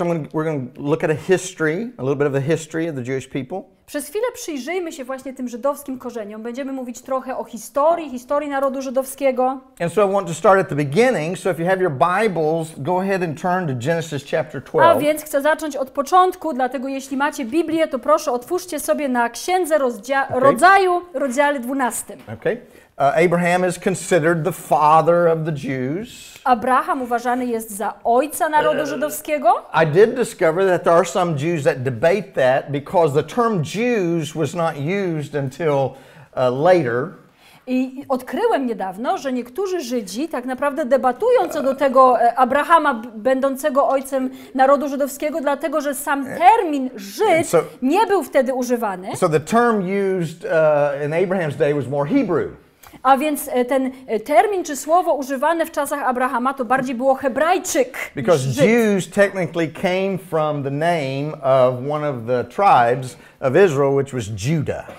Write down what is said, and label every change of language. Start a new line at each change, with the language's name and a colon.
English: We're going to look at a history, a little bit of the history of the Jewish people.
Polish: Przez chwilę przyjrzyjmy się właśnie tym żydowskim korzeniom. Będziemy mówić trochę o historii narodu żydowskiego.
English: And so I want to start at the beginning. So if you have your Bibles, go ahead and turn to Genesis chapter 12.
Polish: A więc chcę zacząć od początku, dlatego jeśli macie Biblię, to proszę otwórzcie sobie na Księdze Rodzaju, rozdziale 12.
English: Okay. Abraham is considered the father of the Jews.
Polish: Abraham uważany jest za ojca narodu żydowskiego.
English: I did discover that there are some Jews that debate that because the term Jews was not used until later.
Polish: I odkryłem niedawno, że niektórzy Żydzi tak naprawdę debatują co do tego Abrahama będącego ojcem narodu żydowskiego, dlatego że sam termin Żyd nie był wtedy używany.
English: So the term used in Abraham's day was more Hebrew.
Polish: A więc ten termin czy słowo używane w czasach Abrahama to bardziej było Hebrajczyk.
English: Because Jews technically came from the name of one of the tribes of Israel, which was Judah.